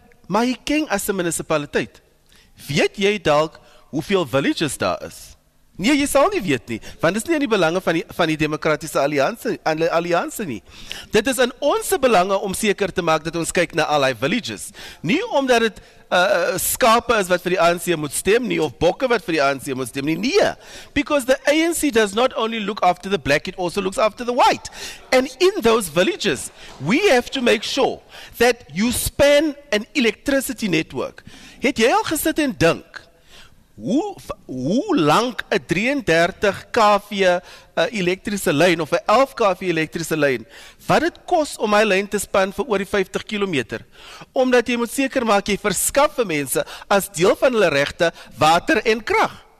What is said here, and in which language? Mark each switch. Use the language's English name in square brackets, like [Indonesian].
[Afrikaans] Mafeking as 'n munisipaliteit. Weet jy dalk hoeveel villages daar is? Nee, jy sal nie weet nie, want dit is nie in die belange van die demokratiese alliansie nie. Dit is in ons belange om seker te maak dat ons kyk na al die villages. Nie omdat dit skape is wat vir die ANC moet stem nie, of bokke wat vir die ANC moet stem nie. [English] Nee, because the ANC does not only look after the black, it also looks after the white. And in those villages, we have to make sure that you span an electricity network. [Afrikaans] Het jy al gesit en dink? Hoe lank 'n 33 kV elektriese lyn of 'n 11 kV elektriese lyn, wat dit kos om hy lyn te span vir oor die 50 km? Omdat jy moet seker maak jy verskaf vir mense as deel van hulle regte water en krag.